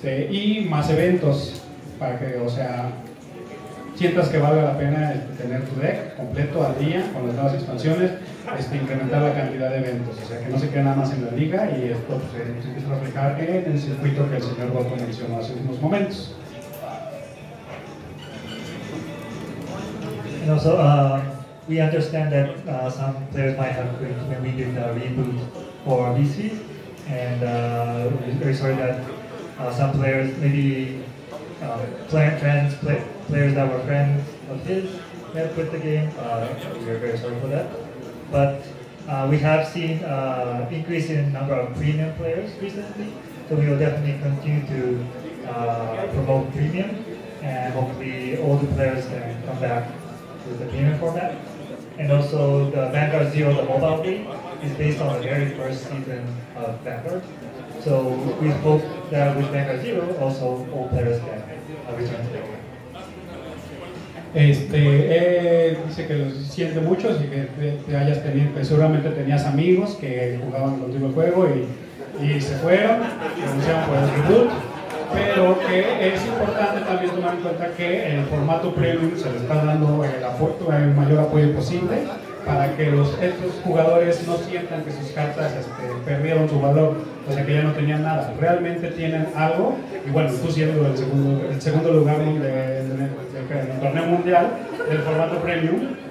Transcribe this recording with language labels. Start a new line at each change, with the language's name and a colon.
Spanish: y más eventos para que, o sea, sientas que valga la pena tener tu deck completo al día con las nuevas expansiones, incrementar la cantidad de eventos, o sea, que no se quede nada más en la liga, y esto pues, se empieza a reflejar en el circuito que el señor Goto mencionó hace unos momentos.
English: And also, we understand that some players might have quit when we did the reboot for VC, and we're very sorry that some players, maybe players that were friends of his, have quit the game. We're very sorry for that. But we have seen an increase in number of premium players recently, so we will definitely continue to promote premium, and hopefully all the players can come back with the premium format. And also the Vanguard Zero, the mobile game, is based on the very first season of Vanguard. So we hope that with Vanguard Zero, also all players get a return to the game.
Spanish: Dice que lo siente mucho y que te hayas tenido, que seguramente tenías amigos que jugaban contigo el juego y se fueron, renunciaron por el reboot, pero que es importante también tomar en cuenta que el formato premium se le está dando el mayor apoyo posible para que estos jugadores no sientan que sus cartas perdieron su valor, o sea que ya no tenían nada, realmente tienen algo, y bueno, tú siendo el segundo lugar en el torneo mundial del formato premium,